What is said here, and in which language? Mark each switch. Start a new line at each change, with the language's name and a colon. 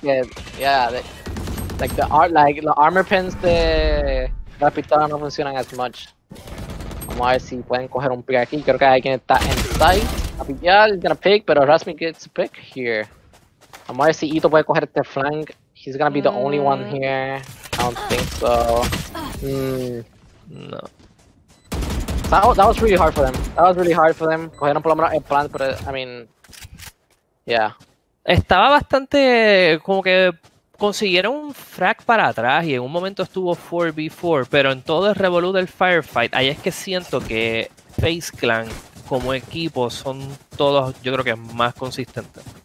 Spanish: Porque, yeah,
English: the armor pins
Spanish: de la pistola no funcionan
English: as much.
Spanish: Vamos a ver si pueden coger un pick aquí. Creo que alguien está en sight. A pillar, gonna pick, pero
English: Rasmi gets a pick here.
Spanish: Vamos a ver si Ito puede coger este flank.
English: He's gonna be the only one here. I don't think so. No. That was really hard for them. That was really hard for them.
Spanish: Cogieron por lo menos el plan, pero,
English: I mean, yeah.
Spanish: Estaba bastante, como que consiguieron un frag para atrás y en un momento estuvo 4v4, pero en todo el revolú del firefight, ahí es que siento que FaZe Clan como equipo son todos, yo creo que más consistentes.